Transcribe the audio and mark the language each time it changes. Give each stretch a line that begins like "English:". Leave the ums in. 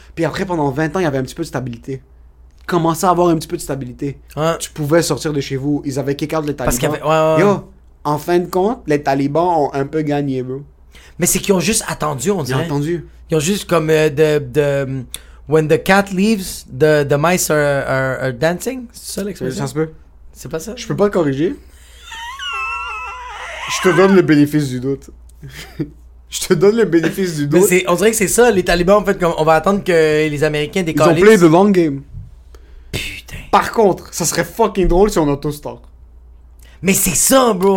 French: Puis après, pendant 20 ans, il y avait un petit peu de stabilité. Commencez à avoir un petit peu de stabilité. Ouais. Tu pouvais sortir de chez vous. Ils avaient kick les talibans. Parce y avait... ouais, oh, en fin de compte, les talibans ont un peu gagné, bro. Mais c'est qu'ils ont juste attendu, on dirait. Ils, ils ont juste comme de, uh, de...
English: When the cat leaves, the, the mice are, are, are dancing.
French: C'est ça l'expression? Ça, ça se peut. C'est pas ça? Je peux pas le corriger je te donne ah. le bénéfice du doute. Je te donne le bénéfice du doute. Mais on dirait que c'est ça, les talibans, en fait, on va attendre que les Américains décollent. Ils ont, ont play le du...
English: long game.
French: Putain. Par contre, ça serait fucking drôle si on auto -stalk. Mais c'est ça, bro.